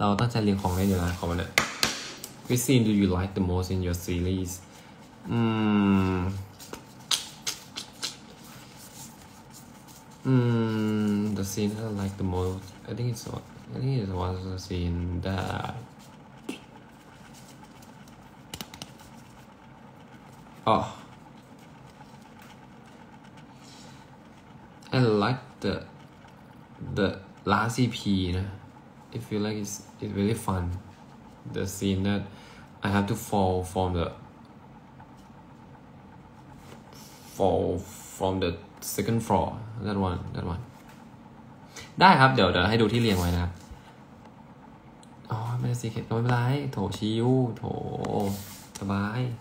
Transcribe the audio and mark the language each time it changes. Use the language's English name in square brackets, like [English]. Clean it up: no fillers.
[Thai] ใจเรียนของเล่นอยู่นะของวันเนี้ย [English] Which scene do you like the most in your series the scene that I like the most I think it was the scene thatOh. I like the last EP, nah. I feel like it's really fun. The scene that I have to fall from the second floor. That one. [Thai] ได้ครับเดี๋ยวให้ดูที่เรียงไว้นะครับอ๋อไม่ได้สิเข็ดไม่เป็นไรโถชิวโถสบาย